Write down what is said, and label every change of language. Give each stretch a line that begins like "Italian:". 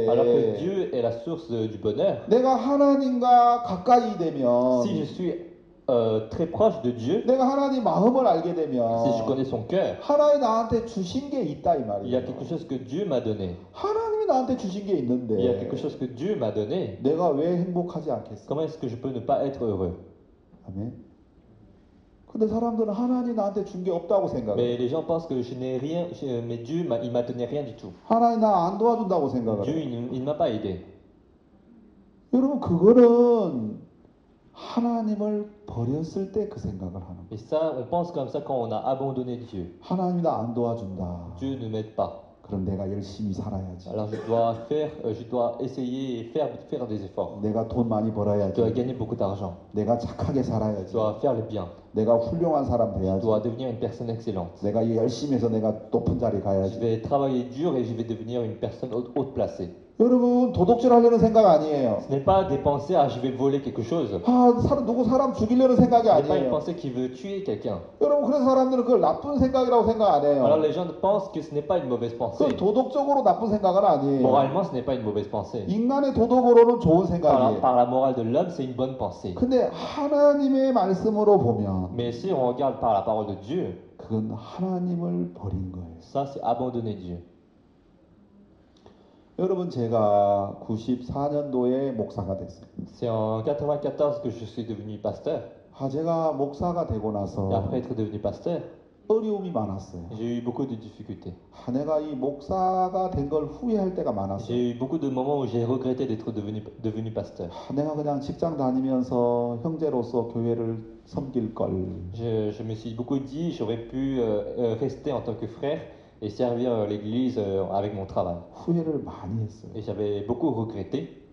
French: Alors que Dieu est la source du bonheur.
Korean: 내가 하나님과 가까이 되면
French: Si je suis très proche de Dieu.
Korean: 내가 하나님 마음을 알게 되면
French: si je connais son cœur,
Korean: 하나님 나한테 주신 게 있다 이 말이에요.
French: Il y a quelque chose que Dieu m'a donné.
Korean: 하나님이 나한테 주신 게 있는데
French: Il y a quelque chose que Dieu m'a donné.
Korean: 내가 왜 행복하지 않겠어?
French: Comment est-ce que je peux ne pas être heureux?
Korean: 아멘. 근데 사람들은 하나님 나한테 준 게 없다고 생각해.
French: Mais les gens pensent que je n'ai rien mais Dieu m'a donné rien du tout.
Korean: 하나님 나 안 도와준다고 생각해.
French: Dieu il m'a pas aidé.
Korean: 여러분 그거는 하나님을 버렸을 때 그 생각을 하는 거예요.
French: Et ça, on pense comme ça quand on a abandonné Dieu.
Korean: 하나님 나 안 도와준다.
French: Dieu ne m'aide pas.
Korean: 그럼 내가 열심히 살아야지.
French: Alors je dois essayer faire des efforts.
Korean: 내가 돈 많이 벌어야지.
French: Je dois gagner beaucoup d'argent.
Korean: 내가 착하게 살아야지.
French: Je dois faire le bien.
Korean: 내가 훌륭한 사람 돼야지.
French: Je dois devenir une personne excellente.
Korean: 내가 열심히 해서 내가 높은 자리 가야지.
French: Je vais travailler dur et je vais devenir une personne haute placée.
Korean: 여러분 도둑질 하려는 생각 아니에요.
French: Ce n'est pas de penser à je vais voler quelque chose.
Korean: 아, 사람 죽이려는 생각이 아니에요.
French: Ce n'est pas de penser qu'il veut tuer quelqu'un.
Korean: 여러분 그런 사람들은 그걸 나쁜 생각이라고 생각 안 해요.
French: Alors les gens pensent que ce n'est pas une mauvaise pensée.
Korean: 그 도덕적으로 나쁜 생각은 아니에요.
French: Moralement, ce n'est pas une mauvaise pensée.
Korean: 인간의 도덕으로는 좋은 생각이에요.
French: Par la morale de l'homme, c'est une bonne pensée.
Korean: 근데 하나님의 말씀으로 보면
French: Mais si on regarde par la parole de Dieu,
Korean: 그건 하나님을 버린 거예요.
French: Ça, c'est abandonner Dieu.
Korean: 여러분 제가 94년도에 목사가 됐어요.
French: C'est en 94 que je suis devenu pasteur.
Korean: 아 제가 목사가 되고 나서
French: après être devenu pasteur,
Korean: 어려움이 많았어요.
French: J'ai eu beaucoup de difficultés.
Korean: 아 내가 이 목사가 된 걸 후회할 때가 많았어요.
French: J'ai eu beaucoup de moments où j'ai regretté d'être devenu pasteur.
Korean: 아 내가 그냥 직장 다니면서 형제로서 교회를 섬길 걸.
French: Je me suis beaucoup dit j'aurais pu rester en tant que frère. Et servir l'église avec mon travail. Et j'avais beaucoup regretté.